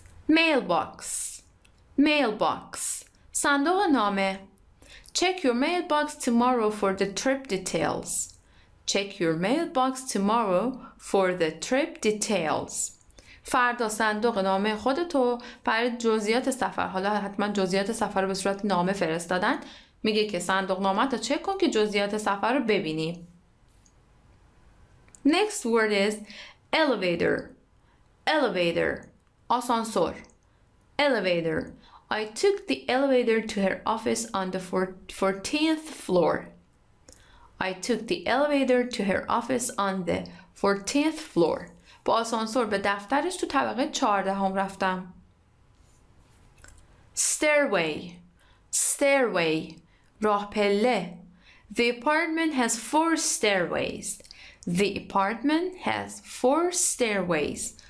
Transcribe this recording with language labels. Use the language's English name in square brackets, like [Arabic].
[English] Mailbox. Mailbox. [Persian] صندوق نامه. [English] Check your mailbox tomorrow for the trip details. Check your mailbox tomorrow for the trip details. [Persian] فردا صندوق نامه خودتو برای جزئیات سفر، حالا حتما جزئیات سفر رو به صورت نامه فرستادن، میگه که صندوق نامه تا چک کن که جزئیات سفر رو ببینی. [English] Next word is elevator. Elevator. آسانسور. Elevator. I took the elevator to her office on the 14th floor. I took the elevator to her office on the 14th floor. [Persian] با آسانسور به دفترش تو طبقه 14 رفتم. [English] Stairway. Stairway. [Persian] راه پله. [English] The apartment has 4 stairways. The apartment has 4 stairways.